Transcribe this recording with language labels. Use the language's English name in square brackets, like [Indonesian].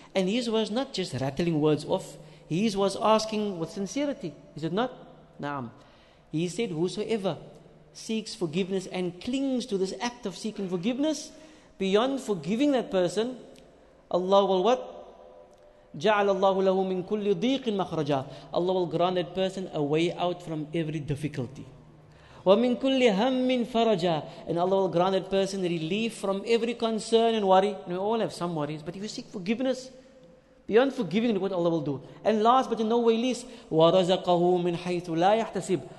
[English] And his was not just rattling words off. His was asking with sincerity. Is it not? Naam. He said, whosoever seeks forgiveness and clings to this act of seeking forgiveness, beyond forgiving that person, Allah will what? [Arabic] جعل الله له من كل ضيق مخرجا. [English] Allah will grant that person a way out from every difficulty. [Arabic] ومن كل هم فرجا. [English] And Allah will grant that person relief from every concern and worry. And we all have some worries, but if you seek forgiveness, beyond forgiving, what Allah will do? And last but in no way least, ورزقه من حيث لا يحتسب.